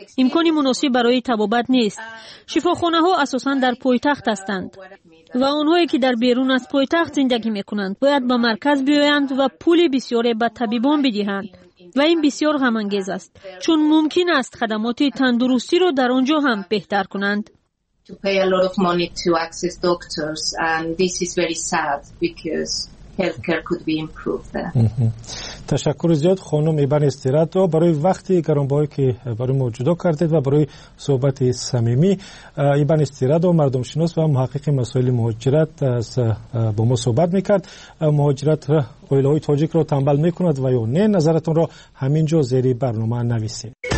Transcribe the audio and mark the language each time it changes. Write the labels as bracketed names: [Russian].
[Persian] امکان مناسب برای طبابت نیست. شفاخانه‌ها اساساً در پایتخت هستند و آنهایی که در بیرون از پایتخت زندگی می‌کنند، باید به مرکز بیایند و پول بسیاری به طبیبان بدهند. و این بسیار غم‌انگیز است، چون ممکن است خدمات تندرستی را در آنجا هم بهتر کنند. [English] To pay a lot of money to access doctors, and this is very sad because healthcare could be improved there. [Persian] تشکر زیاد خانم ایبن استرات و برای وقتی گرانبهایی که برای ما جدا کردید و برای صحبت صمیمی. ایبن استرات و مردم شناس و محقق مسائل مهاجرت از با ما صحبت میکرد. مهاجرت اویله های تاجیک را تنبل میکند و یا نه؟ نظرتون را همینجا زیر برنامه نویسید.